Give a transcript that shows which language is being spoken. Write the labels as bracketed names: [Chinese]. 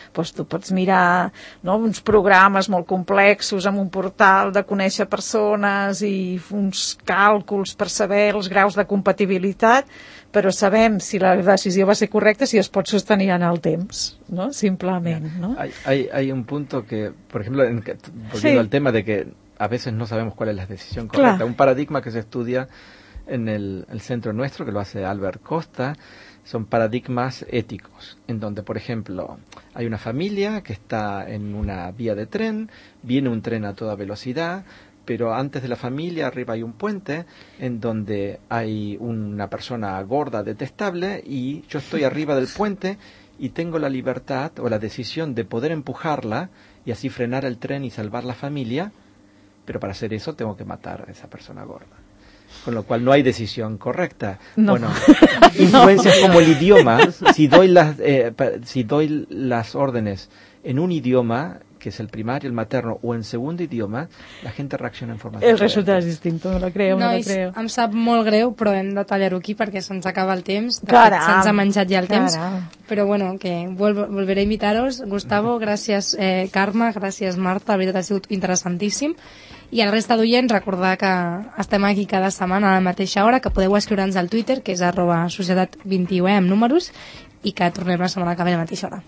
[Catalan] Pues tu pots mirar, no, uns programes molt complexos amb un portal de conèixer persones i uns càlculs per saber els graus de compatibilitat, però sabem si la decisió va ser correcta si es pot sostenir en el temps, no? Simplement, no? [Spanish] Hay un punto que, por ejemplo, volviendo al tema de que a veces no sabemos cuál es la decisión correcta. Claro. Un paradigma que se estudia en el centro nuestro, que lo hace Albert Costa, son paradigmas éticos, en donde, por ejemplo, hay una familia que está en una vía de tren, viene un tren a toda velocidad, pero antes de la familia arriba hay un puente en donde hay una persona gorda detestable, y yo estoy arriba del puente y tengo la libertad o la decisión de poder empujarla y así frenar el tren y salvar la familia, pero para hacer eso tengo que matar a esa persona gorda. Con lo cual no hay decisión correcta. No. Bueno, influencias como el idioma. Si doy las órdenes en un idioma, que es el primario, el materno, o en segundo idioma, la gente reacciona en forma diferente. [Catalan] El resultat és distint, no la creu, no la creu. Em sap molt greu, però hem de tallar-ho aquí perquè se'ns acaba el temps. Caram! Se'ns ha menjat ja el temps. Però bueno, [Spanish] que volveré [Catalan] a invitar-vos. Gustavo, gràcies, Carme, gràcies, Marta. La veritat ha sigut interessantíssim. I al resta d'oients, recordar que estem aquí cada setmana a la mateixa hora, que podeu escriure'ns al Twitter, que és @societat21e, amb números, i que tornem la setmana que ve a la mateixa hora.